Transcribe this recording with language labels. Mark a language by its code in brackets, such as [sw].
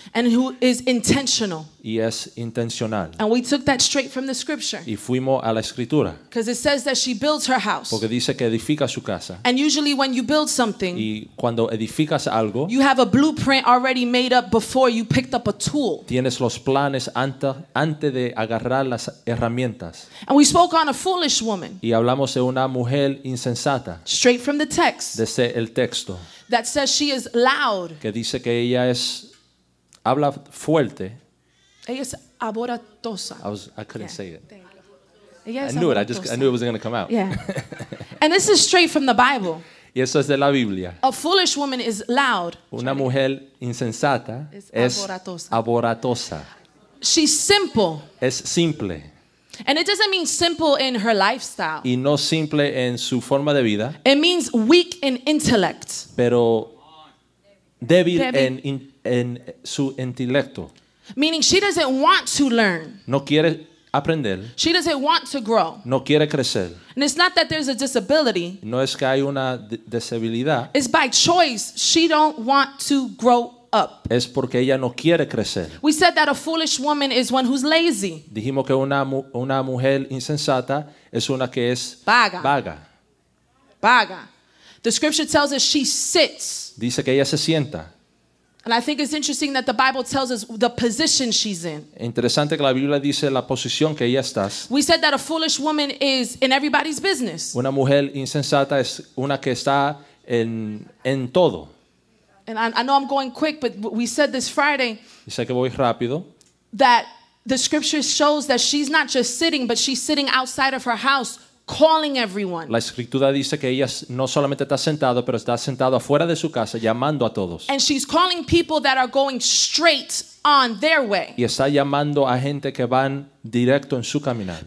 [en] and who is intentional, [es] y es intencional. [en] And we took that straight from the scripture, [es] y fuimos a la escritura, [en] because it says that she builds her house, [es] porque dice que edifica su casa. [en] And usually when you build something, [es] y cuando edificas algo, [en] you have a blueprint already made up before you picked up a tool, [es] tienes los planes antes de agarrar las herramientas. [en] And we spoke on a foolish woman, [es] y hablamos de una mujer insensata, [en] straight from the text, [es] desde el texto, [en] that says she is loud, [es] que dice que ella es habla fuerte. Ella es alborotosa. [en] I couldn't say it. I knew it was going to come out. Yeah. And this is straight from the Bible. [es] Y eso es de la Biblia. [en] A foolish woman is loud. [es] Una mujer insensata es alborotosa. [en] She's simple. [es] Es simple. [en] And it doesn't mean simple in her lifestyle. [es] Y no simple en su forma de vida. [en] It means weak in intellect. [es] Pero débil en su intelecto. [en] Meaning she doesn't want to learn. [es] No quiere aprender. [en] She doesn't want to grow. [es] No quiere crecer. [en] And it's not that there's a disability. [es] No es que hay una debilidad. [en] It's by choice she don't want to grow up. [es] Es porque ella no quiere crecer. [en] We said that a foolish woman is one who's lazy. [es] Dijimos que una mujer insensata es una que es vaga. Vaga. Vaga. [en] The scripture tells us she sits. [es] Dice que ella se sienta. [en] And I think it's interesting that the Bible tells us the position she's in. [es] Interesante que la Biblia dice la posición que ella está. [en] We said that a foolish woman is in everybody's business. [es] Una mujer insensata es una que está en todo. [en] And I know I'm going quick, but we said this Friday. [es] Dice que voy rápido. [en] That the scripture shows that she's not just sitting, but she's sitting outside of her house calling everyone. [es] La escritura dice que ella no solamente está sentado, pero está sentado afuera de su casa llamando a todos. [en] And she's calling people that are going straight on their way. [es] Y está llamando a gente que van directo en su caminar.